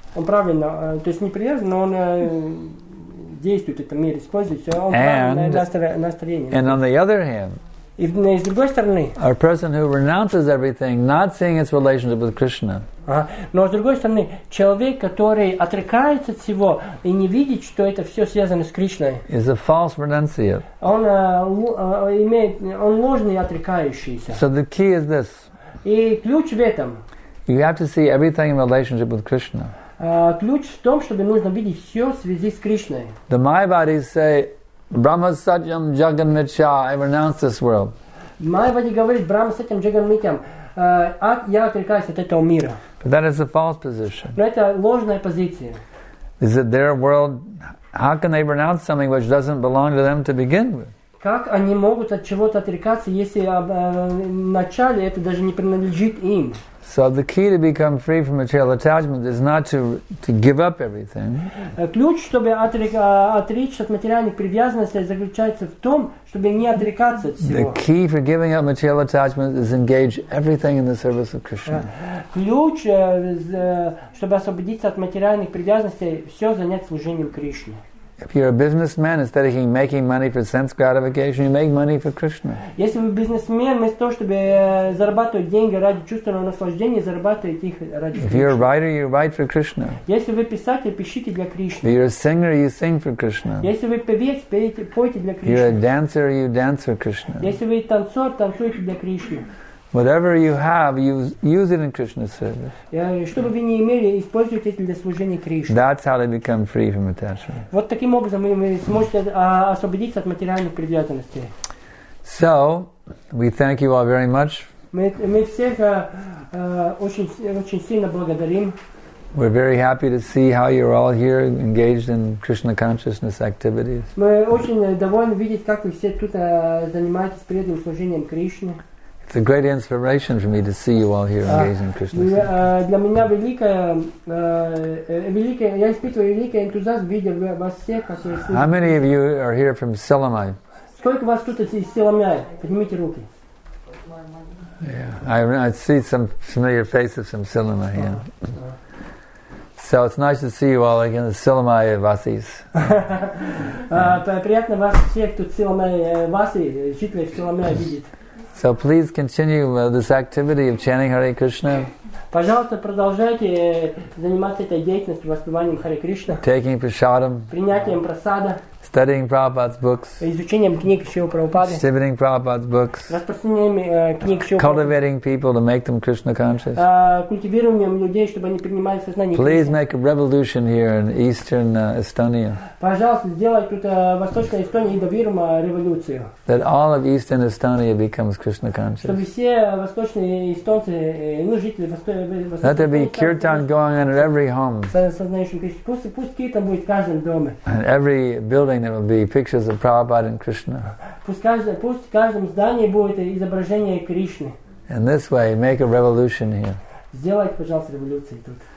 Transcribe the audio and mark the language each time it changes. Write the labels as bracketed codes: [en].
[ru] Он правильно, то есть не привязан, но он действует в этом мире, использует все. Он [en] And on the other hand, [ru] if, с другой стороны, [en] a person who renounces everything, not seeing its relationship with Krishna. [ru] Но с другой стороны, человек, который отрекается от всего и не видит, что это все связано с Кришной, [en] is a false renunciate. [ru] Он ложный отрекающийся. [en] So the key is this. [ru] И ключ в этом. [en] You have to see everything in relationship with Krishna. [ru] Ключ в том, чтобы нужно видеть все в связи с Кришной. [en] The Mayavadis say, Brahma Satyam Jagan Mitya, I renounce this world. [ru] Mayavadi говорит, Brahma Satyam Jagan Mitya. Я отрекаюсь от этого мира. [en] But that is a false position. [ru] Но это ложная позиция. [en] Is it their world? How can they renounce something which doesn't belong to them to begin with? [ru] Как они могут от чего-то отрекаться, если вначале это даже не принадлежит им? [en] So the key to become free from material attachment is not to give up everything. [ru] Ключ, чтобы отречься от материальных привязанностей, заключается в том, чтобы не отрекаться от всего. [en] The key for giving up material attachment is engage everything in the service of Krishna. [ru] Ключ, чтобы освободиться от материальных привязанностей, все занять служением Кришне. [en] If you're a businessman, instead of making money for sense gratification, you make money for Krishna. [ru] Если вы бизнесмен, вместо того, чтобы зарабатывать деньги ради чувственного наслаждения, зарабатываете их ради Кришны. [en] If you're a writer, you write for Krishna. [ru] Если вы писатель, пишите для Кришны. [en] If you're a singer, you sing for Krishna. [ru] Если вы певец, пейте, пойте для Кришны. [en] You're a dancer, you dance for Krishna. [ru] Если вы танцор, танцуйте для Кришны. [en] Whatever you have, use it in Krishna's service. [ru] Что бы вы ни имели, используйте это для служения Кришне. [en] That's how they become free from attachment. [ru] Вот таким образом вы сможете освободиться от материальных привязанностей. [en] So, we thank you all very much. [ru] Мы всех очень сильно благодарим. [en] We're very happy to see how you're all here engaged in Krishna consciousness activities. [ru] Мы очень довольны видеть, как вы все тут занимаетесь преданным служением Кришне. [en] It's a great inspiration for me to see you all here engaged in Krishna. [ru] Для меня великое, я испытываю великий энтузиазм, видя вас всех, как вы слышите. [en] How many of you are here from Силамай? [ru] Сколько вас тут из Силамай? Поднимите руки. [en] Yeah, I see some familiar faces from Силамай. Yeah. So it's nice to see you all again, Силамай Васис. [ru] Приятно вас всех тут Силамай Васи, жителей Силамай видеть. [en] So please continue this activity of chanting Hare Krishna. [ru] Пожалуйста, продолжайте заниматься этой деятельностью, воспеванием Харе Кришна. [en] Taking prasadam. [ru] Принятием прасада. [en] Studying Prabhupada's books. [ru] Изучением книг Шрилы Прабхупады. [en] Distributing Prabhupada's books. [ru] Распространением книг Шрилы [en] Прабхупады. Cultivating people to make them Krishna conscious. [ru] Культивированием людей, чтобы они принимали сознание. [en] Please make a revolution here in eastern Estonia. [ru] Пожалуйста, сделайте тут восточной Эстонии и доверим революцию. [en] That all of eastern Estonia becomes Krishna conscious. [ru] Чтобы все восточные эстонцы, ну жители восточной. [en] Let there be kirtan going on in every home. [ru] Сознанием Кришны. Пусть киртан будет в каждом доме. [en] And every building there will be pictures of Prabhupada and Krishna. [ru] Пусть в каждом здании будет изображение Кришны. [en] In this way, make a revolution here. [ru] Сделайте, пожалуйста, революцию тут.